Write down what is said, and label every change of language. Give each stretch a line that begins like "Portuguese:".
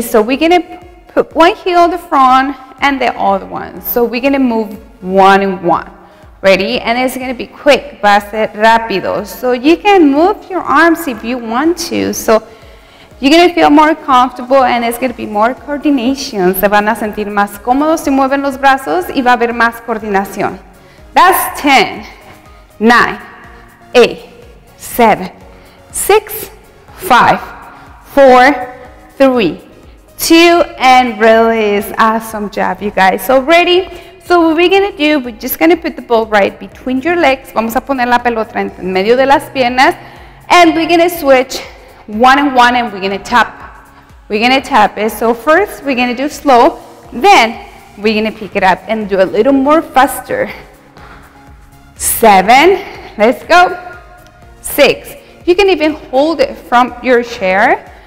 English: So we're gonna put one heel in the front and the other one. So we're gonna move one and one. Ready? And it's gonna be quick.
Spanish: Va a ser rápido.
English: So you can move your arms if you want to. So you're gonna feel more comfortable and it's gonna be more coordination.
Spanish: Se van a sentir más cómodos si mueven los brazos y va a haber más coordinación.
English: That's 10, 9, 8, 7, 6, 5, 4, 3, 2, and release. Awesome job, you guys. So ready? So what we're gonna do, we're just gonna put the ball right between your legs.
Spanish: Vamos a poner la pelota en medio de las piernas.
English: And we're gonna switch one and one and we're gonna tap. We're gonna tap it. So first we're gonna do slow. Then we're gonna pick it up and do a little more faster. 7, let's go. 6, you can even hold it from your chair.